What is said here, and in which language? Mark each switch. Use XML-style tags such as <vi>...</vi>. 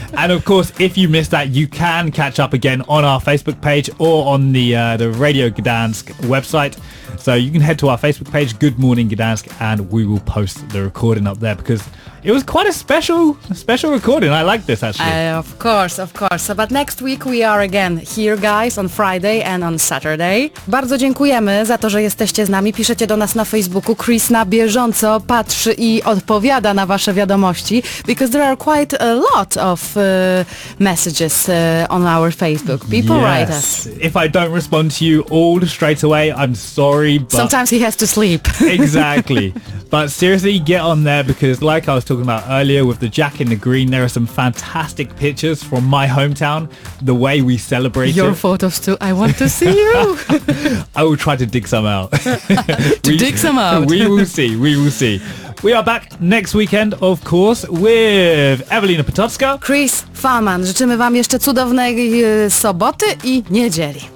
<en>And of course, if you missed that, you can catch up again on our Facebook page or on the Radio Gdansk website. So you can head to our Facebook page, Good Morning Gdansk, and we will post the recording up there because it was quite a special recording. I like this, actually. Of course. So, but next week we are again here, guys, on Friday and on Saturday.</en> <pl>Bardzo dziękujemy za to, że jesteście z nami. Piszecie do nas na Facebooku.</pl> <en>Chris</en> <pl>na bieżąco patrzy i odpowiada na wasze wiadomości</pl> <en>because there are quite a lot of messages on our Facebook. People yes. write us. If I don't respond to you all straight away, I'm sorry. But sometimes he has to sleep. Exactly. But seriously, get on there, because like I was talking about earlier with the Jack in the Green, there are some fantastic pictures from my hometown, the way we celebrate your it. Photos too. I want to see you. I will try to dig some out. We will see. We will see. We are back next weekend, of course, with Evelina Potocka. Chris Farman.</en> <pl>Życzymy Wam jeszcze cudownej soboty i niedzieli.</pl>